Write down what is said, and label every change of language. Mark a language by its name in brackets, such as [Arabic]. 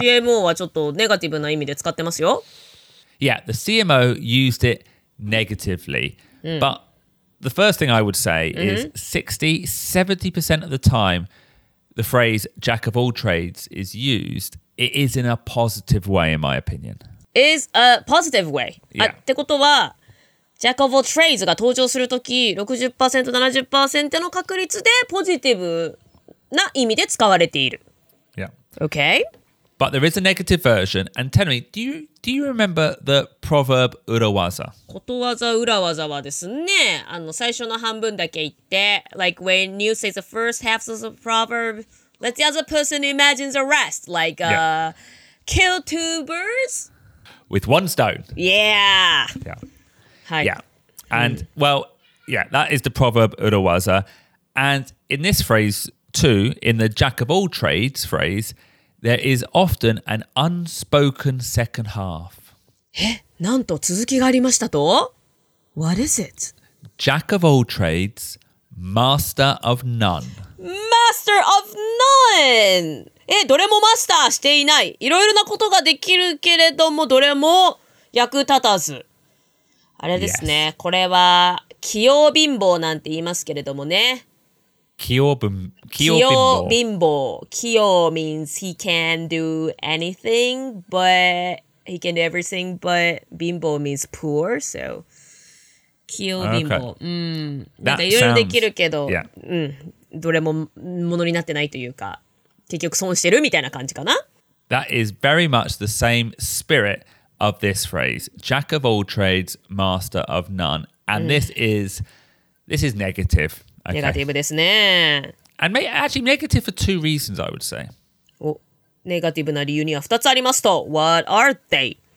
[Japanese] CMO はちょっとネガティブな意味で使ってますよ。 [English] Yeah, the CMO used it negatively. Mm. But the first thing I would say is 60-70% of the time the phrase jack of all trades is used, it is in a positive way, in my opinion. Is a positive way. Yeah. [Japanese] ってことは、ジャック・オブ・トレイズが登場するとき、60%、70% の確率でポジティブな意味で使われている。 [English] Yeah. Okay. But there is a negative version. And tell me, do you remember the proverb 裏技？ [Japanese] ことわざ裏技はですね、あの最初の半分だけ言って、 [English] like when you say the first half of the proverb, let the other person imagine the rest, like kill two birds with one stone. Yeah. Yeah. And, well, yeah, that is the proverb urawaza. And in this phrase too, in the jack of all trades phrase, there is often an unspoken second half. [Japanese] なんと 続きがありましたと? [English] What is it? Jack of all trades, master of none. Master of none! [Japanese] どれもマスターしていない。いろいろなことができるけれども、どれも役立たず。あれですね、 [English] yes. [Japanese] これは器用貧乏なんて言いますけれどもね。器用貧乏。 [English] 器用 means he can do anything, but he can do everything, but 貧乏 means poor, so 器用貧乏。 Okay. [Japanese] なんかいろいろできるけど、 [English] yeah. [Japanese] どれもものになってないというか、結局損してるみたいな感じかな。 [English] That is very much the same spirit. Of this phrase, jack of all trades, master of none, and this is negative. Okay. Negative ですね。 And actually negative for two reasons, I would say. [Japanese] Oh, negative な理由には二つありますと。 [English] What are they?